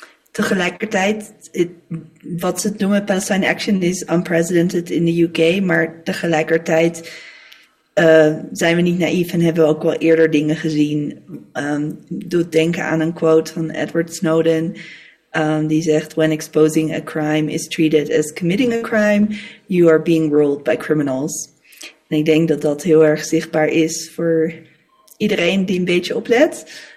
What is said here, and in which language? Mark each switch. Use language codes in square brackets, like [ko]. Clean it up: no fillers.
[nl] Tegelijkertijd, wat ze noemen Palestine Action [en] is unprecedented [nl] in de UK. Maar tegelijkertijd zijn we niet naïef en hebben we ook wel eerder dingen gezien. Doet denken aan een quote van Edward Snowden. Die zegt, [en] when exposing a crime is treated as committing a crime, you are being ruled by criminals. [nl] En ik denk dat dat heel erg zichtbaar is voor iedereen die een beetje oplet.